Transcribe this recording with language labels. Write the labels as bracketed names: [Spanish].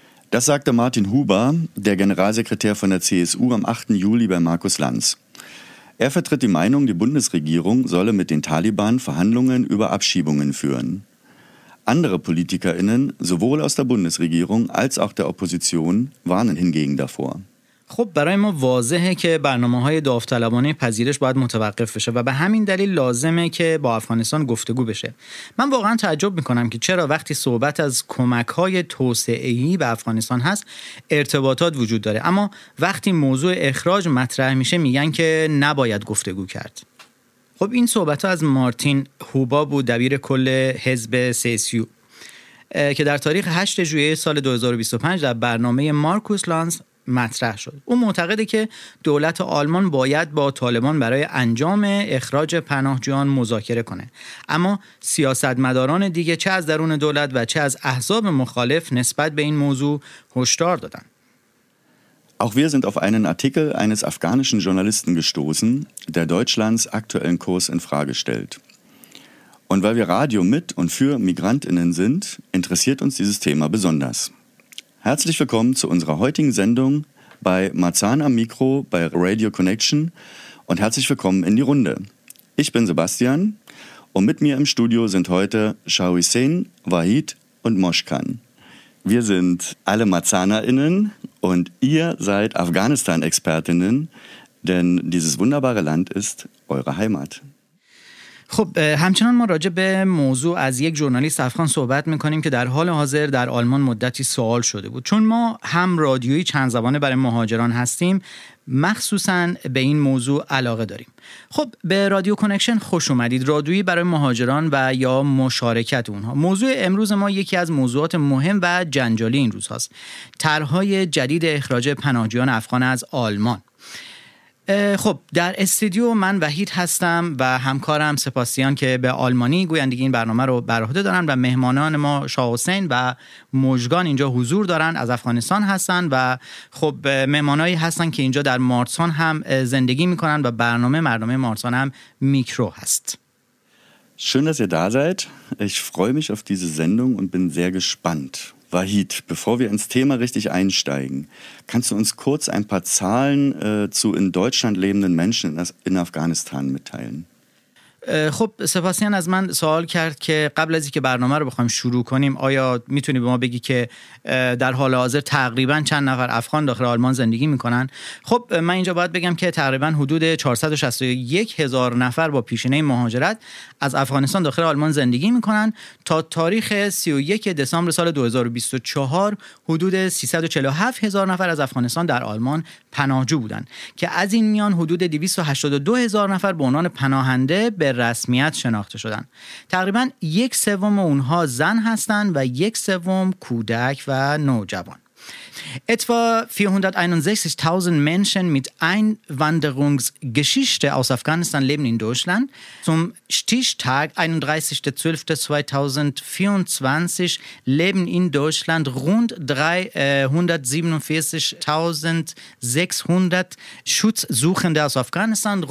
[German] Das sagte Martin Huber, der Generalsekretär von der CSU, am 8. Juli bei Markus Lanz. Er vertritt die Meinung, die Bundesregierung solle mit den Taliban Verhandlungen über Abschiebungen führen. Andere PolitikerInnen, sowohl aus der Bundesregierung als auch der Opposition, warnen hingegen davor. [Persian] خب برای ما واضحه که برنامه‌های داوطلبانه پذیرش باید متوقف بشه و به همین دلیل لازمه که با افغانستان گفتگو بشه. من واقعا تعجب می‌کنم که چرا وقتی صحبت از کمک‌های توسعه‌ای به افغانستان هست، ارتباطات وجود داره، اما وقتی موضوع اخراج مطرح میشه میگن که نباید گفتگو کرد. خب این صحبت‌ها از مارتین هوبا بود، دبیر کل حزب CSU، که در تاریخ 8 ژوئیه سال 2025 در برنامه مارکوس لانس مطرح شد. او معتقده که دولت آلمان باید با طالبان برای انجام اخراج پناهجویان مذاکره کنه، اما سیاستمداران دیگه چه از درون دولت و چه از احزاب مخالف نسبت به این موضوع هشدار دادن. [German] Auch wir sind auf einen Artikel eines afghanischen Journalisten gestoßen, der Deutschlands aktuellen Kurs in Frage stellt. Und weil wir Radio mit und für Migrantinnen sind, interessiert uns dieses Thema besonders. Herzlich willkommen zu unserer heutigen Sendung bei Marzahn am Mikro bei Radio Connection und herzlich willkommen in die Runde. Ich bin Sebastian und mit mir im Studio sind heute Shahuisin, Wahid und Moshkan. Wir sind alle MarzahnerInnen und ihr seid Afghanistan-ExpertInnen, denn dieses wunderbare Land ist eure Heimat. [Persian] خب همچنان ما راجع به موضوع از یک ژورنالیست افغان صحبت میکنیم که در حال حاضر در آلمان مدتی سوال شده بود. چون ما هم رادیویی چند زبانه برای مهاجران هستیم، مخصوصا به این موضوع علاقه داریم. خب به رادیو کانکشن خوش اومدید. رادیویی برای مهاجران و یا مشارکت اونها. موضوع امروز ما یکی از موضوعات مهم و جنجالی این روزهاست. طرحهای جدید اخراج پناهجویان افغان از آلمان. خب در استودیو من وحید هستم و همکارم سپاسیان که به آلمانی گویندگی این برنامه رو بر عهده دارن و مهمانان ما شاه‌حسین و مژگان اینجا حضور دارن، از افغانستان هستن و خب مهمانایی هستن که اینجا در مارتسان هم زندگی میکنن و برنامه مردم مارتسان هم میکرو هست. [German] Schön, dass ihr da seid. Ich freue mich auf diese Sendung und bin sehr gespannt. Wahid, bevor wir ins Thema richtig einsteigen, kannst du uns kurz ein paar Zahlen zu in Deutschland lebenden Menschen in Afghanistan mitteilen? [Persian] خب سپاسیان از من سوال کرد که قبل از اینکه برنامه رو بخوایم شروع کنیم، آیا میتونی به ما بگی که در حال حاضر تقریبا چند نفر افغان داخل آلمان زندگی میکنن؟ خب من اینجا باید بگم که تقریبا حدود 461,000 نفر با پیشینه مهاجرت از افغانستان داخل آلمان زندگی میکنن. تا تاریخ 31 دسامبر سال 2024 حدود 347,000 نفر از افغانستان در آلمان پناهجو بودن که از این میان حدود 282,000 نفر به عنوان پناهنده به رسمیت شناخته شدن. تقریبا یک سوم اونها زن هستن و یک سوم کودک و نوجوان. [German] Etwa 461,000 Menschen mit Einwanderungsgeschichte aus Afghanistan leben in Deutschland. Zum Stichtag 31.12.2024 leben in Deutschland rund 347,600 Schutzsuchende aus Afghanistan.